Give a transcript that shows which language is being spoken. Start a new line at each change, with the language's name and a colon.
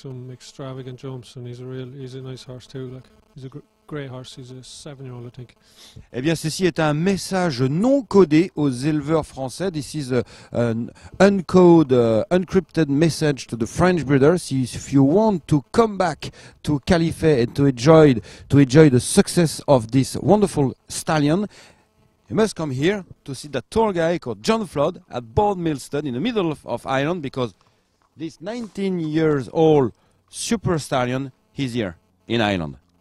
English: Some extravagant jumps, and he's a nice horse too. Like, he's a great horse. He's a seven-year-old, I think.
French: Eh bien, ceci est un message non codé aux éleveurs français.
English: This is an encrypted message to the French breeders. If you want to come back to Califet and to enjoy the success of this wonderful stallion, you must come here to see that tall guy called John Flood at Boardsmill Stud in the middle of Ireland, because this 19-year-old super stallion is here in Ireland.